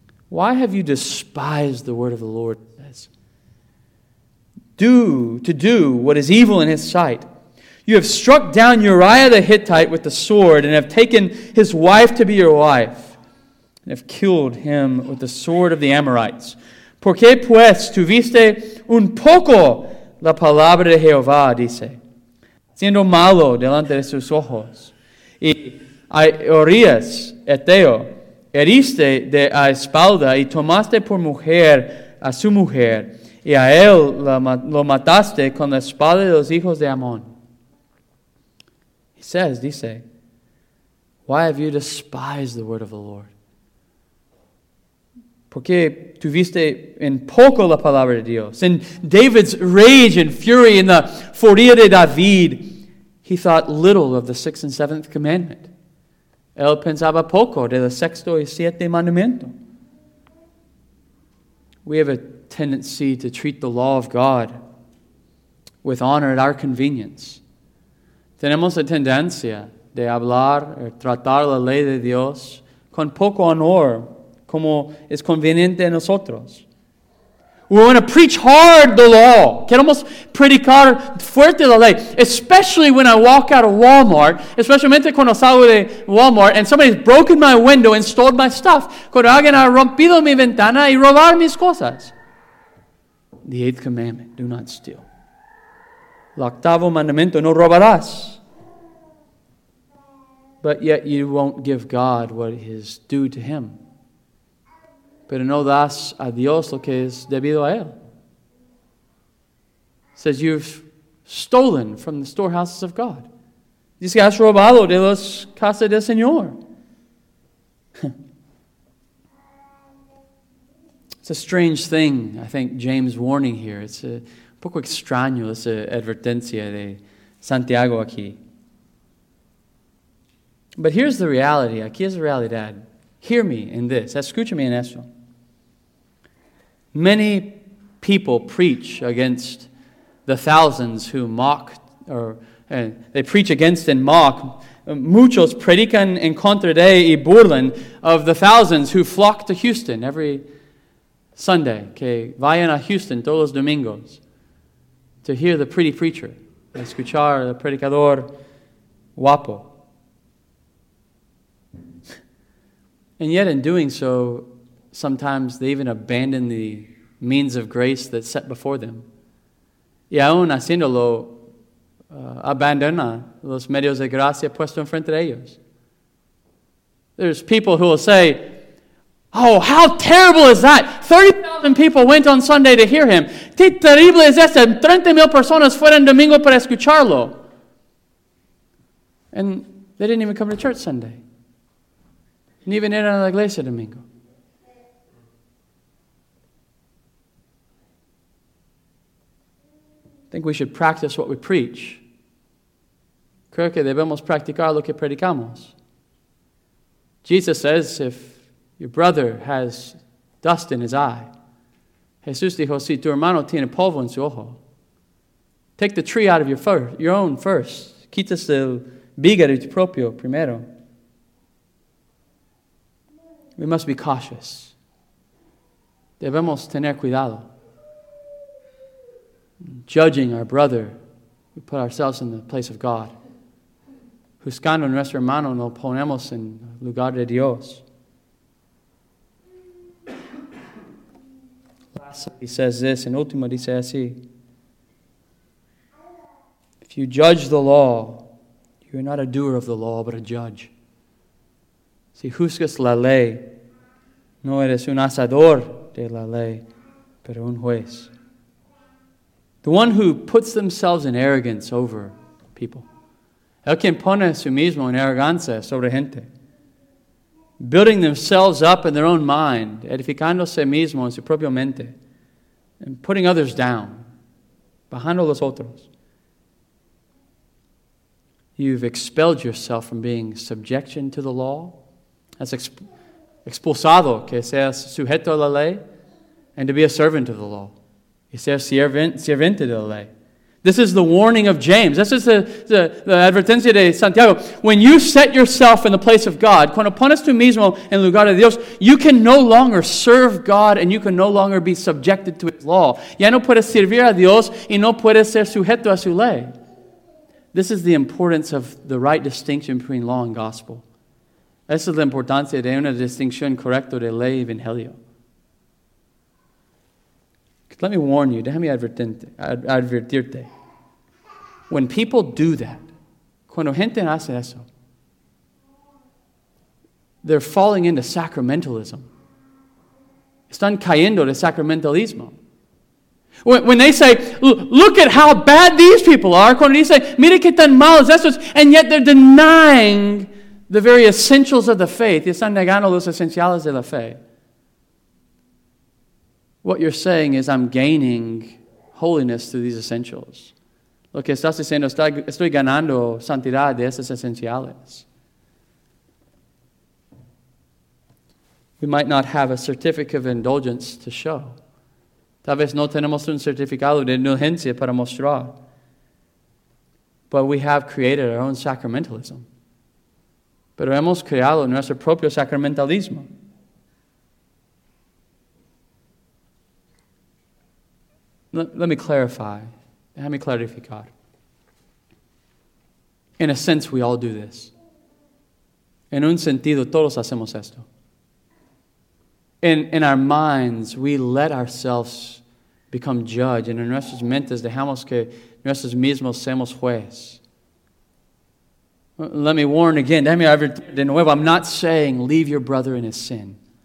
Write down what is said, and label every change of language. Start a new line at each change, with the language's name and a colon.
English: Why have you despised the word of the Lord? To do what is evil in his sight. You have struck down Uriah the Hittite with the sword and have taken his wife to be your wife. And have killed him with the sword of the Amorites.
Spanish: ¿Por qué pues tuviste un poco la palabra de Jehová, dice, siendo malo delante de sus ojos? Y a Urias, Eteo, heriste de a espalda y tomaste por mujer a su mujer, y a él lo mataste con la espada de los hijos de Amón.
English: He says, dice, why have you despised the word of the Lord?
Spanish: Porque tuviste en poco la palabra de Dios.
English: In David's rage and fury in the
Spanish: furia de David,
English: he thought little of the sixth and seventh commandment.
Spanish: Él pensaba poco de los sexto y siete mandamientos.
English: We have a tendency to treat the law of God with honor at our convenience.
Spanish: Tenemos la tendencia de hablar o tratar la ley de Dios con poco honor. Como es conveniente a nosotros.
English: We want to preach hard the law.
Spanish: Queremos predicar fuerte la ley.
English: Especially when I walk out of Walmart.
Spanish: Especialmente cuando salgo de Walmart
English: and somebody's broken my window and stole my stuff.
Spanish: Cuando alguien ha rompido mi ventana y robar mis cosas.
English: The eighth commandment, do not steal.
Spanish: El octavo mandamiento, no robarás.
English: But yet you won't give God what is due to Him.
Spanish: Pero no das a Dios lo que es debido a Él.
English: It says you've stolen from the storehouses of God.
Spanish: Dice que has robado de las casas del Señor.
English: It's a strange thing, I think, James' warning here. It's a
Spanish: poco extraño,
English: it's an
Spanish: advertencia de Santiago aquí.
English: But here's the reality.
Spanish: Aquí es la realidad.
English: Hear me in this.
Spanish: Escúchame en esto.
English: Many people preach against the thousands who mock, they preach against and mock.
Spanish: Muchos predican en contra de y burlan
English: of the thousands who flock to Houston every Sunday.
Spanish: Que vayan a Houston todos los domingos
English: to hear the pretty preacher.
Spanish: Escuchar el predicador guapo.
English: And yet in doing so, sometimes they even abandon the means of grace that's set before them.
Spanish: Y aún haciéndolo, abandona los medios de gracia puesto enfrente de ellos.
English: There's people who will say, oh, how terrible is that? 30,000 people went on Sunday to hear him.
Spanish: ¿Qué terrible es eso? 30,000 personas fueron domingo para escucharlo.
English: And they didn't even come to church Sunday.
Spanish: Ni even ir a la iglesia domingo.
English: I think we should practice what we preach.
Spanish: Creo que debemos practicar lo que predicamos.
English: Jesus says, if your brother has dust in his eye,
Spanish: Jesús dijo, si tu hermano tiene polvo en su ojo,
English: take the tree out of your own first.
Spanish: Quitas el viga de tu propio primero.
English: We must be cautious.
Spanish: Debemos tener cuidado.
English: Judging our brother, we put ourselves in the place of God.
Spanish: Juzgando a nuestro hermano, nos ponemos en lugar de Dios.
English: Last, he says this, and
Spanish: último dice así.
English: If you judge the law, you are not a doer of the law, but a judge.
Spanish: Si juzgas la ley, no eres un asador de la ley, pero un juez.
English: The one who puts themselves in arrogance over people.
Spanish: El quien pone su mismo en arrogancia sobre gente.
English: Building themselves up in their own mind,
Spanish: edificándose mismo en su propia mente.
English: And putting others down,
Spanish: bajando los otros.
English: You've expelled yourself from being subjection to the law. That's
Spanish: expulsado, que seas sujeto a la ley,
English: and to be a servant of the law.
Spanish: Y ser sirviente de la ley.
English: This is the warning of James. This is the advertencia de Santiago. When you set yourself in the place of God,
Spanish: cuando pones tú mismo en lugar de Dios,
English: you can no longer serve God and you can no longer be subjected to His law.
Spanish: Ya no puedes servir a Dios y no puedes ser sujeto a su ley.
English: This is the importance of the right distinction between law and gospel.
Spanish: Esa es la importancia de una distinción correcta de ley y evangelio.
English: Let me warn you,
Spanish: déjame advertirte.
English: When people do that,
Spanish: cuando gente hace eso,
English: they're falling into sacramentalism.
Spanish: Están cayendo de sacramentalismo.
English: When they say, look at how bad these people are,
Spanish: cuando dicen, mire qué tan malos estos,
English: and yet they're denying the very essentials of the faith,
Spanish: y están negando los esenciales de la fe.
English: What you're saying is, I'm gaining holiness through these essentials.
Spanish: Lo que estás diciendo, estoy ganando santidad de esos esenciales.
English: We might not have a certificate of indulgence to show.
Spanish: Tal vez no tenemos un certificado de indulgencia para mostrar.
English: But we have created our own sacramentalism.
Spanish: Pero hemos creado nuestro propio sacramentalismo.
English: Let me clarify.
Spanish: Déjame clarificar. In a sense, we all do this. En un sentido, todos hacemos esto.
English: In our minds, we let ourselves become judge, and
Spanish: en nuestras mentes dejamos que nuestros mismos seamos juez.
English: Let me warn again.
Spanish: Déjame advertir de nuevo.
English: I'm not saying leave your brother in his sin.